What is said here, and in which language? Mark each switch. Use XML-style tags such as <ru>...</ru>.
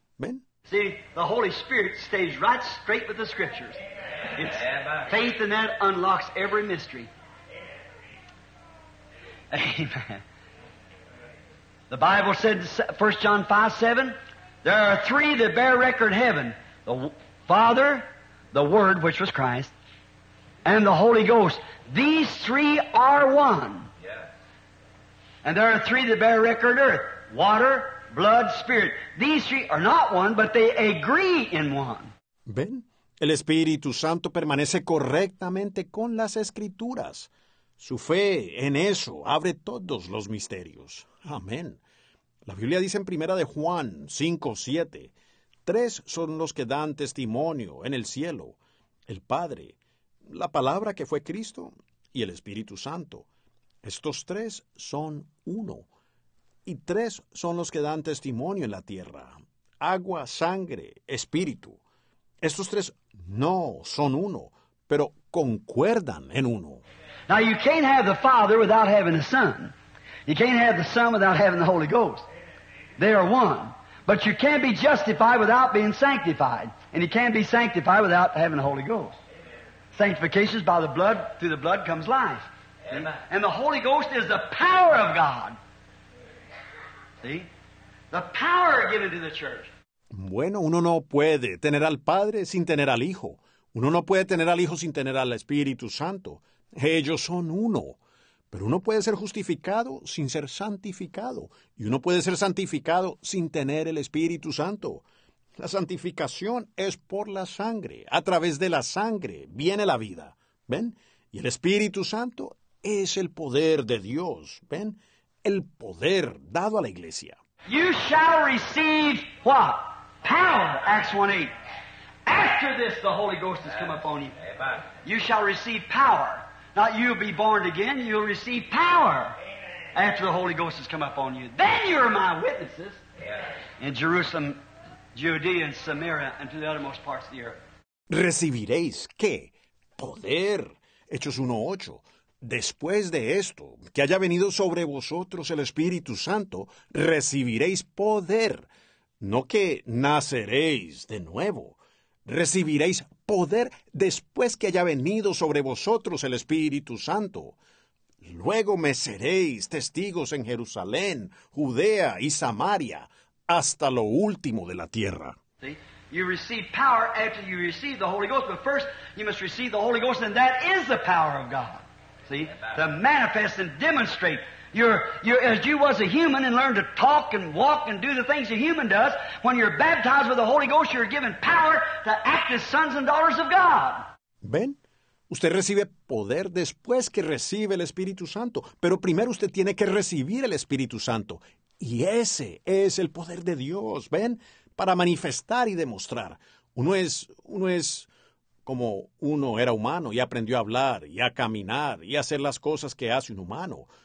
<es>¿Ven?</es> <en>See, the Holy Spirit stays right straight with the Scriptures. It's faith in that unlocks every mystery. Amen. The Bible said, 1 John 5:7, there are three that bear record heaven, the Father, the Word, which was Christ, and the Holy Ghost. These three are one. Yes. And there are three that bear record earth, water, blood, spirit. These three are not one, but they agree in one.</en> <es>Ven, el Espíritu Santo permanece correctamente con las Escrituras. Su fe en eso abre todos los misterios. Amén. La Biblia dice en 1 Juan 5:7, tres son los que dan testimonio en el cielo, el Padre, la Palabra que fue Cristo y el Espíritu Santo. Estos tres son uno. Y tres son los que dan testimonio en la tierra, agua, sangre, espíritu. Estos tres no son uno, pero concuerdan en uno.</es> <en>Now, you can't have the Father without having the Son. You can't have the Son without having the Holy Ghost. They are one. But you can't be justified without being sanctified. And you can't be sanctified without having the Holy Ghost. Sanctification is by the blood. Through the blood comes life. And the Holy Ghost is the power of God. See? The power given to the church.</en> <es>Bueno, uno no puede tener al Padre sin tener al Hijo. Uno no puede tener al Hijo sin tener al Espíritu Santo. Ellos son uno, pero uno puede ser justificado sin ser santificado, y uno puede ser santificado sin tener el Espíritu Santo. La santificación es por la sangre. A través de la sangre viene la vida. ¿Ven? Y el Espíritu Santo es el poder de Dios. ¿Ven? El poder dado a la iglesia.</es> <en>You shall receive what? Power, Acts 1:8. After this, the Holy Ghost has come upon you. You shall receive power. Not you'll be born again, you'll receive power after the Holy Ghost has come upon you. Then you're my witnesses in Jerusalem, Judea, and Samaria, and to the uttermost parts of the earth.</en> <es>¿Recibiréis qué? Poder. Hechos 1:8. Después de esto, que haya venido sobre vosotros el Espíritu Santo, recibiréis poder. No que naceréis de nuevo. Recibiréis poder después que haya venido sobre vosotros el Espíritu Santo. Luego me seréis testigos en Jerusalén, Judea y Samaria, hasta lo último de la tierra.</es> <en>See? You receive power after you receive the Holy Ghost, but first you must receive the Holy Ghost, and that is the power of God. See? To manifest and demonstrate. You're as you was a human and learned to talk and walk and do the things a human does, when you're baptized with the Holy Ghost, you're given power to act as sons and daughters of God.</en> <es>¿Ven? Usted recibe poder después que recibe el Espíritu Santo, pero primero usted tiene que recibir el Espíritu Santo. Y ese es el poder de Dios, ¿ven? Para manifestar y demostrar. Uno es como uno era humano y aprendió a hablar y a caminar y a hacer las cosas que hace un humano.</es>